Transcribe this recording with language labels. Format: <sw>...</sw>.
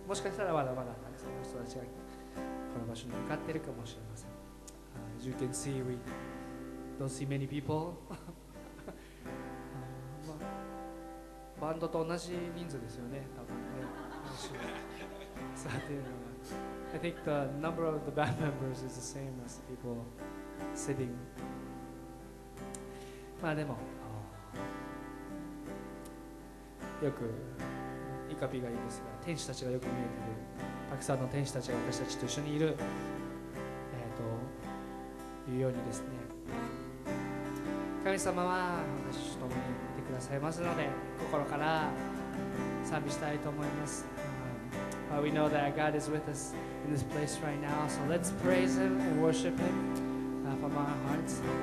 <ja>もしかしたらまだまだたくさんの人たちがこの場所に向かっているかもしれません。</ja> <en>As you can see, we don't see many people.</en> <ja>まあ、バンドと同じ人数ですよね、多分ね。</ja> <en>さて、I think the number of the band members is the same as the people sitting.</en> <ja>まあでもよくイカピがいいですが、天使たちがよく見えている、たくさんの天使たちが私たちと一緒にいる、というようにですね、神様は私と共にいてくださいますので、心から賛美したいと思います。</ja> <en>We know that God is with us in this place right now, so let's praise Him and worship Him from our hearts.</en>